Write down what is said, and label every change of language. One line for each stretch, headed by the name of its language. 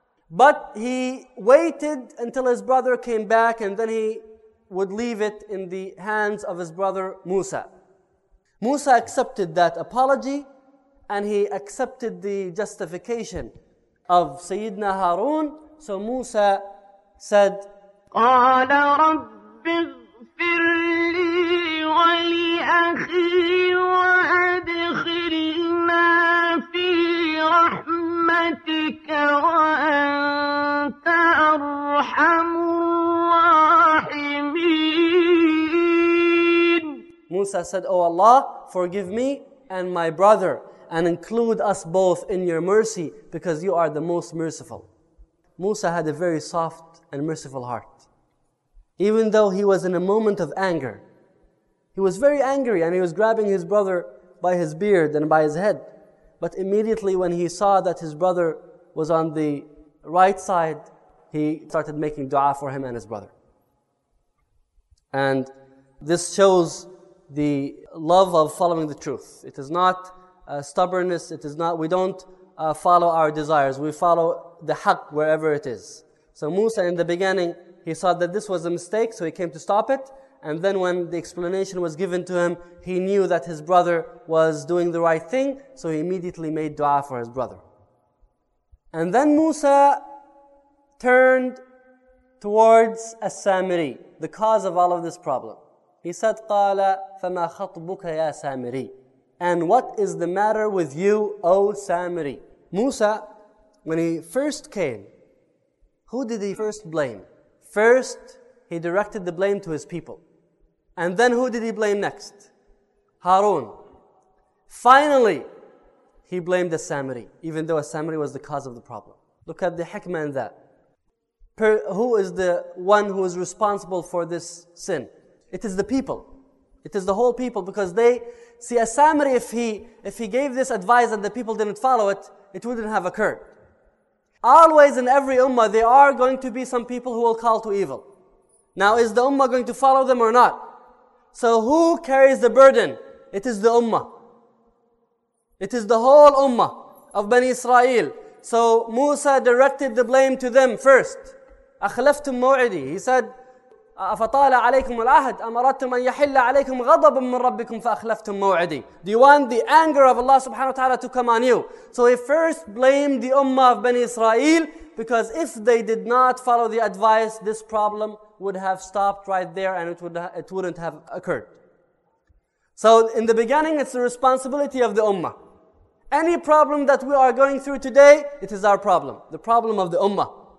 English: But he waited until his brother came back, and then he would leave it in the hands of his brother Musa. Musa accepted that apology and he accepted the justification of Sayyidina Harun. So Musa said,
Arabic: قال رب اغفر لي ولأخي وأدخلنا في رحمتك وأنت أرحم الراحمين.
English: Musa said, oh Allah, forgive me and my brother, and include us both in your mercy because you are the most merciful. Musa had a very soft and merciful heart. Even though he was in a moment of anger, he was very angry and he was grabbing his brother by his beard and by his head. But immediately when he saw that his brother was on the right side, he started making dua for him and his brother. And this shows the love of following the truth. It is not stubbornness, it is not, we don't follow our desires, we follow the haqq wherever it is. So Musa in the beginning, he saw that this was a mistake, so he came to stop it. And then when the explanation was given to him, he knew that his brother was doing the right thing, so he immediately made dua for his brother. And then Musa turned towards As-Samiri, the cause of all of this problem. He said,
Arabic: قَالَ فَمَا خَطْبُكَ يَا سَامِرِي.
English: And what is the matter with you, O Samiri? Musa, when he first came, who did he first blame? First, he directed the blame to his people. And then who did he blame next? Harun. Finally, he blamed As-Samiri, even though As-Samiri was the cause of the problem. Look at the hikmah in that. Who is the one who is responsible for this sin? It is the people. It is the whole people, because they see As-Samiri, if he gave this advice and the people didn't follow it, it wouldn't have occurred. Always in every ummah, there are going to be some people who will call to evil. Now, is the ummah going to follow them or not? So who carries the burden? It is the ummah. It is the whole ummah of Bani Israel. So Musa directed the blame to them first.
Arabic: أَخْلَفْتُمْ مَوْعِدِي.
English: He said,
Arabic: أَفَطَالَ عَلَيْكُمُ الْعَهْدِ أَمَرَدْتُمْ أَنْ يَحِلَّ عَلَيْكُمْ غَضَبٌ مِّنْ رَبِّكُمْ فَأَخْلَفْتُمْ مَوْعِدِي.
English: Do you want the anger of Allah subhanahu wa ta'ala to come on you? So he first blamed the ummah of Bani Israel, because if they did not follow the advice, this problem would have stopped right there and it wouldn't have occurred. So in the beginning, it's the responsibility of the ummah. Any problem that we are going through today, it is our problem. The problem of the ummah.